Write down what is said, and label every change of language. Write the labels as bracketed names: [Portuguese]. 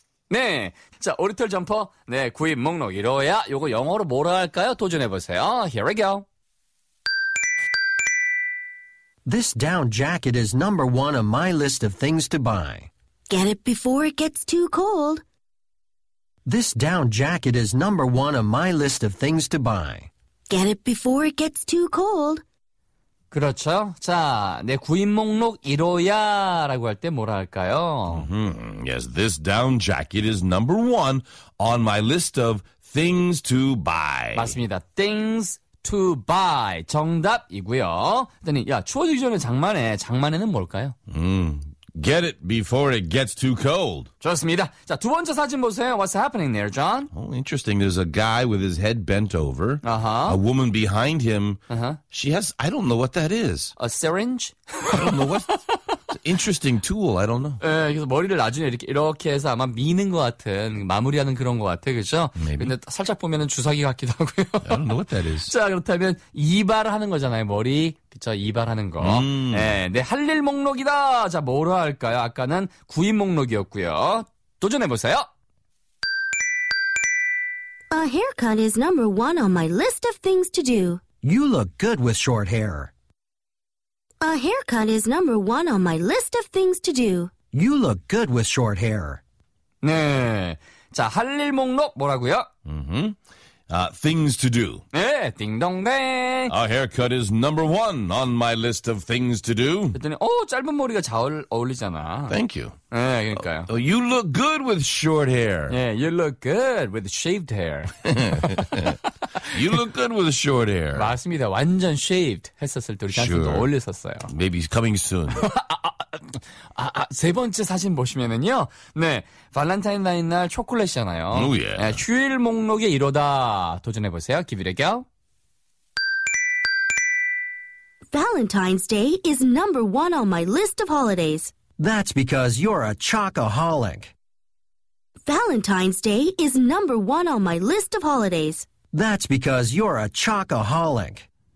[Korean] 네, 자, 오리털 점퍼, 네, 구입 목록 1호야. 요거 영어로 뭐라 할까요? 도전해보세요. [English] Here we go. This down jacket is number one on my list of things to buy. Get it before it gets too cold. This down jacket is number one on my list of things to buy. Get it before it gets too cold. [Korean] 그렇죠. 자, 내 구입 목록 1호야 라고 할 때 뭐라 할까요? [English] Yes, this down jacket is number one on my list of things to buy. [Korean] 맞습니다. [English] Things to buy. [Korean] 정답이고요. 그랬더니, 야, 추워지기 전에 장만해. 장만해는 뭘까요? [English] Get it before it gets too cold. [Korean] 좋습니다. 자, 두 번째 사진 보세요. [English] What's happening there, John? Oh, interesting. There's a guy with his head bent over. Uh-huh. A woman behind him. Uh-huh. She has, I don't know what that is. A syringe? I don't know what. Interesting tool. I don't know. [Korean] 예, 그래서 머리를 나중에 이렇게 해서 아마 미는 것 같은 마무리하는 그런 것 같아, 그렇죠? 근데 살짝 보면은 주사기 같기도 하고요. [English] I don't know what that is. [Korean] 자, 그렇다면 이발하는 거잖아요, 머리. 그쵸, 이발하는 거. 네, 네, 할 일 목록이다. 자, 뭐로 할까요? 아까는 구인 목록이었고요. 도전해 보세요. [English] A haircut is number one on my list of things to do. You look good with short hair. A haircut is number one on my list of things to do. You look good with short hair. [Korean] 네. 자, 할 일 목록 뭐라고요? [English] Mm-hmm. Things to do. [Korean] 네, 띵동댕. [English] A haircut is number one on my list of things to do. [Korean] 그랬더니, 오, 짧은 머리가 잘 어울리잖아. [English] Thank you. [Korean] 네, 그러니까요. [English] You look good with short hair. 네, you look good with shaved hair. You look good with short hair. [Korean] 맞습니다. 완전 shaved 했었을 때 우리 단순도 [English] sure. [Korean] 어울렸었어요. [English] Maybe he's coming soon. [Korean] 세 번째 사진 보시면은요. 네, 발렌타인 나인 날 초콜릿이잖아요. [English] Oh, yeah. [Korean] 네, 휴일 목록에 이러다 도전해보세요. [English] Give it a go. Valentine's Day is number one on my list of holidays. That's because you're a chocoholic. Valentine's Day is number one on my list of holidays. That's because you're a chocoholic.